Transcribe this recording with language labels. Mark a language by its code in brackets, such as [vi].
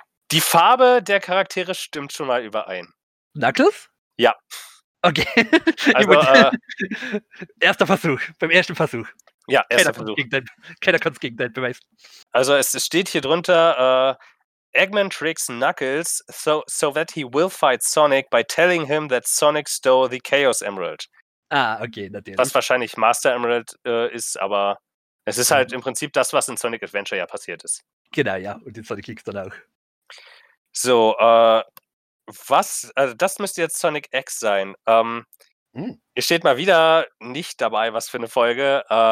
[de] Die Farbe der Charaktere stimmt schon mal überein. Knuckles? Ja. Okay. Also, erster Versuch, beim ersten Versuch. Ja, erster Versuch. Keiner kann es gegen dein beweisen. Also es steht hier drunter... [en] Eggman tricks Knuckles so that he will fight Sonic by telling him that Sonic stole the Chaos Emerald. [de] Ah, okay, natürlich. Was wahrscheinlich Master Emerald ist, aber es ist halt im Prinzip das, was in Sonic Adventure ja passiert ist. Genau, ja, und in Sonic X dann auch. So, das müsste jetzt Sonic X sein. Hier steht mal wieder nicht dabei, was für eine Folge.